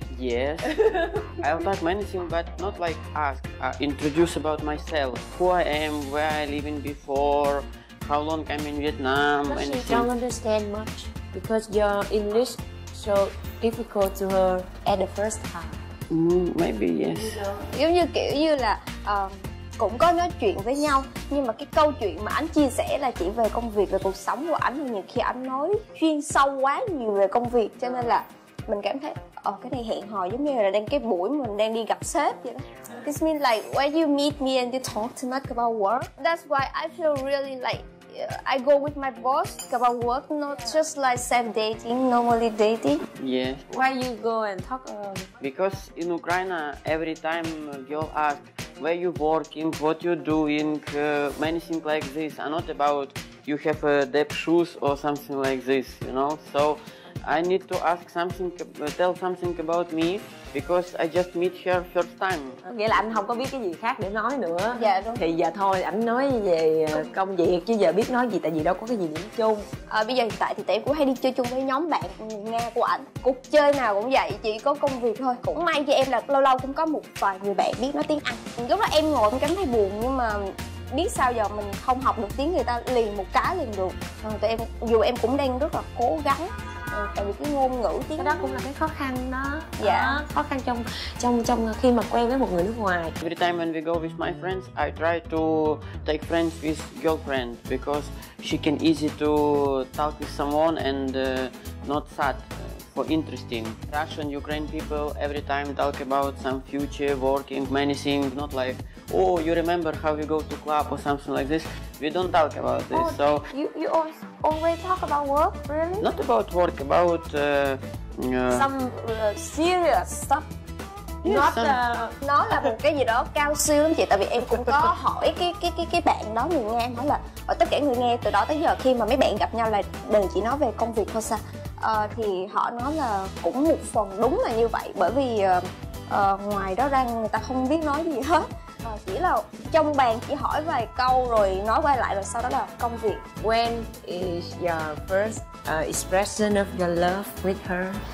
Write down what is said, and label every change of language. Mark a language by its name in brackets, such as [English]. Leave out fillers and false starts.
[English] Yes, I'll talk many things, but not like ask. Introduce about myself, who I am, where I living before. How long I'm in Vietnam? But she don't understand much because your English so difficult to her at the first time. Maybe yes. [Vietnamese] Giống như kiểu như là cũng có nói chuyện với nhau, nhưng mà cái câu chuyện mà anh chia sẻ là chỉ về công việc, về cuộc sống của anh, nhiều khi anh nói chuyên sâu quá nhiều về công việc, cho nên là mình cảm thấy cái này hẹn hò giống như là đang cái buổi mình đang đi gặp sếp vậy đó. [English] This means like when you meet me and you talk too much about work. That's why I feel really like I go with my boss about work, not just like same dating, normally dating. Yeah. Why you go and talk about it? Because in Ukraine, every time girl ask where you working, what you doing, many things like this, and not about you have a deep shoes or something like this, you know. So I need to ask something, tell something about me, because I just meet her first time. [Vietnamese] Nghĩa là anh không có biết cái gì khác để nói nữa. Dạ đúng. Thì giờ thôi, anh nói về công việc chứ giờ biết nói gì, tại vì đâu có cái gì điểm chung. Bây giờ hiện tại thì tỷ cũng hay đi chơi chung với nhóm bạn Nga của anh. Cuộc chơi nào cũng vậy, chỉ có công việc thôi. Cũng may cho em là lâu lâu cũng có một vài người bạn biết nói tiếng Anh. Lúc đó em ngồi em cảm thấy buồn, nhưng mà biết sao giờ mình không học được tiếng người ta liền một cái liền được. Tụi em dù em cũng đang rất là cố gắng. Tại vì cái ngôn ngữ tiếng đó cũng là cái khó khăn đó. Dạ. Khó khăn trong khi mà quen với một người nước ngoài. [English] Every time when we go with my friends, I try to take friends with girlfriend because she can easy to talk with someone and not sad. For interesting Russian Ukraine people, every time talk about some future working, many things, not like you remember how you go to club or something like this. We don't talk about this. So you always talk about work, really? Not about work, about some serious stuff. Yes, [Vietnamese] nó là một cái gì đó cao siêu lắm chị. Tại vì em cũng có hỏi cái bạn đó, người Nga, nói là tất cả người Nga từ đó tới giờ khi mà mấy bạn gặp nhau là đều chỉ nói về công việc thôi sao. Thì họ nói là cũng một phần đúng là như vậy, bởi vì ngoài đó ra người ta không biết nói gì hết. Chỉ là trong bàn chỉ hỏi vài câu rồi nói qua lại, rồi sau đó là công việc. [English] When is your first expression of your love with her?